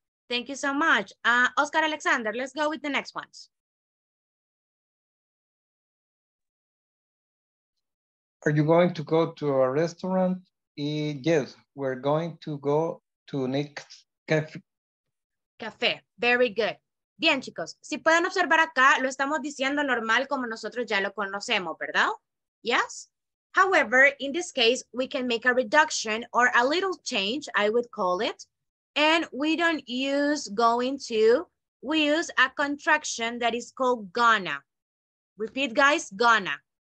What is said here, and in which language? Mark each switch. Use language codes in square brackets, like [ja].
[en] Thank you so much. Oscar Alexander, let's go with the next ones. Are you going to go to a restaurant? Yes, we're going to go to Nick's Cafe. Cafe, very good. [es] Bien, chicos, si pueden observar acá, lo estamos diciendo normal como nosotros ya lo conocemos, ¿verdad? [en] Yes? However, in this case, we can make a reduction or a little change, I would call it. And we don't use going to, we use a contraction that is called gonna. Repeat, guys, gonna.